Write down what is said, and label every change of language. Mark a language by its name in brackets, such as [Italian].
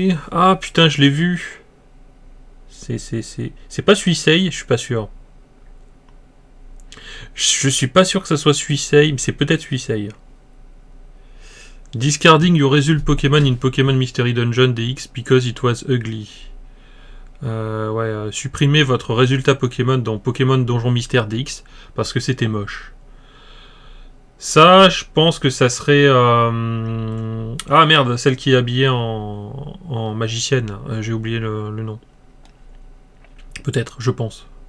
[French] Ah putain, je l'ai vu. C'est pas Suisei, je suis pas sûr. Je suis pas sûr que ça soit Suisei, mais c'est peut-être Suisei. [English] Discarding your result Pokémon in Pokémon Mystery Dungeon DX because it was ugly. [French] Ouais, supprimer votre résultat Pokémon dans Pokémon Donjon Mystère DX parce que c'était moche. Ça, je pense que ça serait... Ah merde, celle qui est habillée en magicienne. J'ai oublié le nom. Peut-être, je pense.